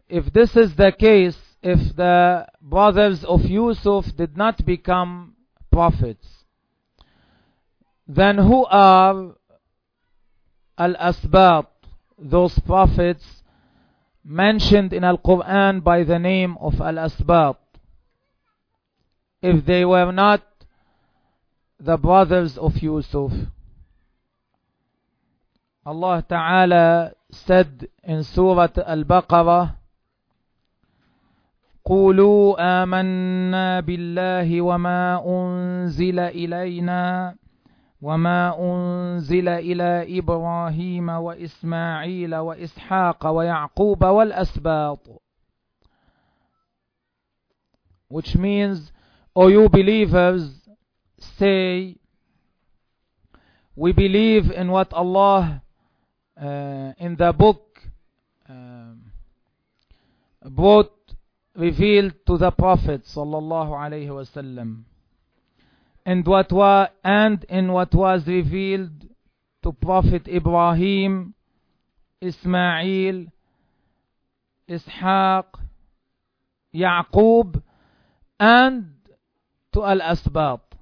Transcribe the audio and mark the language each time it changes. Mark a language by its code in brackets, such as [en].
[en] If this is the case, if the brothers of Yusuf did not become prophets, then who are الأسباط, those prophets mentioned in Al-Quran by the name of الأسباط, if they were not the brothers of Yusuf? [ar] Allah Ta'ala said in Surah Al-Baqarah, قُولُوا آمَنَّا بِاللَّهِ وَمَا أُنزِلَ إِلَيْنَا وَمَا أُنزِلَ إِلَى إِبْرَاهِيمَ وَإِسْمَاعِيلَ وَإِسْحَاقَ وَيَعْقُوبَ وَالْأَسْبَاطُ. [en] Which means, O you believers, say, we believe in what Allah, in the book, brought, revealed to the Prophet sallallahu alayhi wa sallam, and in what was revealed to Prophet Ibrahim, Ismail, Ishaq, Yaqub, and to Al-Asbat.